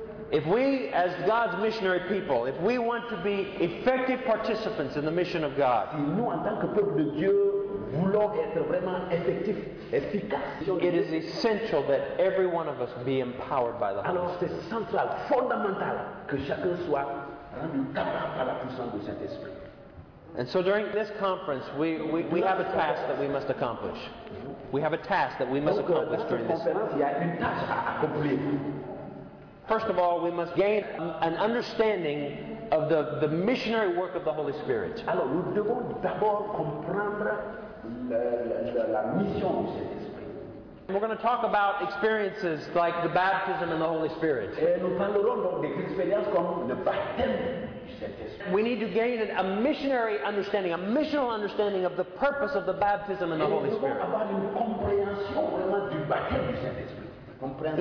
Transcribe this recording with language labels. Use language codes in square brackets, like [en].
[en] If we, as God's missionary people, if we want to be effective participants in the mission of God, it is essential that every one of us be empowered by the Holy Spirit. [fr] Alors, c'est central, fondamental, que chacun soit rendu capable par la puissance du Saint-Esprit. [en] And so during this conference, we have a task that we must accomplish. We have a task that we must accomplish during this conference. First of all, we must gain an understanding of the missionary work of the Holy Spirit. [fr] Alors, nous devons d'abord comprendre la mission du Saint-Esprit. [en] We're going to talk about experiences like the baptism in the Holy Spirit. [fr] Et nous parlerons donc des expériences comme le baptême du Saint-Esprit. [en] We need to gain a missionary understanding, a missional understanding of the purpose of the baptism in the Holy Spirit. [fr] Et nous devons avoir une compréhension vraiment du baptême du Saint-Esprit.